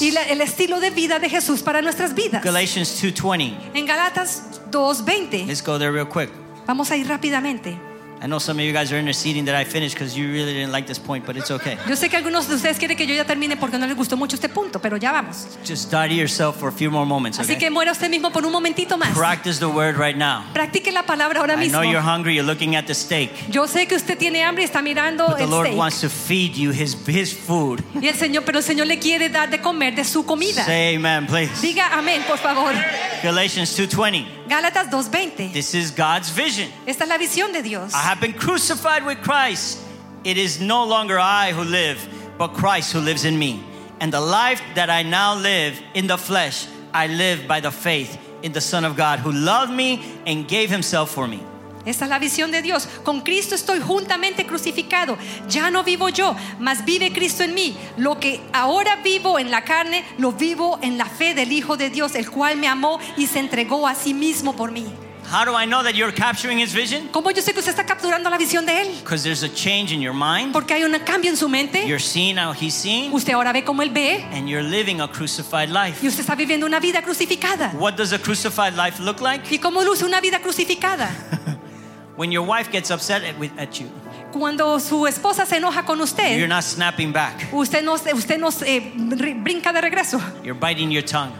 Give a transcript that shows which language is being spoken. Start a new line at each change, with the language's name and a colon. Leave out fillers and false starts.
Spanish: y el estilo de vida de Jesús para nuestras vidas.
English: Galatians 2:20.
Spanish: En Galatas 2:20.
English: Let's go there real quick.
Spanish: Vamos a ir rápidamente.
English: I know some of you guys are interceding that I finish because you really didn't like this point, but it's okay.
Spanish: Yo sé que algunos de ustedes quieren que yo ya termine porque no les gustó mucho este punto, pero ya vamos.
English: Just die to yourself for a few more moments.
Spanish: Así que muera usted mismo por un momentito más.
English: Practice the word right now.
Spanish: Practique la palabra ahora mismo.
English: I know you're hungry. You're looking at the steak.
Spanish: Yo sé que usted tiene hambre y está mirando el steak.
English: But the Lord wants to feed you His food.
Spanish: Y el Señor, pero el Señor le quiere dar de comer de su comida.
English: Say amen, please.
Spanish: Diga amén, por favor.
English: Galatians 2:20.
Spanish: Gálatas 2:20.
English: This is God's vision.
Spanish: Esta es la visión de Dios.
English: I have been crucified with Christ. It is no longer I who live, but Christ who lives in me. And the life that I now live in the flesh, I live by the faith in the Son of God who loved me and gave himself for me.
Spanish: Esta es la visión de Dios. Con Cristo estoy juntamente crucificado. Ya no vivo yo, mas vive Cristo en mí. Lo que ahora vivo en la carne, lo vivo en la fe del Hijo de Dios, el cual me amó y se entregó a sí mismo por mí.
English: How do I know that you're capturing his vision?
Spanish: ¿Cómo yo sé que usted está capturando la visión de él?
English: Because there's a change in your mind.
Spanish: Porque hay un cambio en su mente.
English: You're seeing how he's seeing.
Spanish: Usted ahora ve como él ve.
English: And you're living a crucified life.
Spanish: Y usted está viviendo una vida crucificada.
English: What does a crucified life look like?
Spanish: ¿Y cómo luce una vida crucificada?
English: When your wife gets upset at you,
Spanish: cuando su esposa se enoja con usted,
English: you're not snapping back.
Spanish: Usted no brinca de regreso.
English: You're biting your tongue.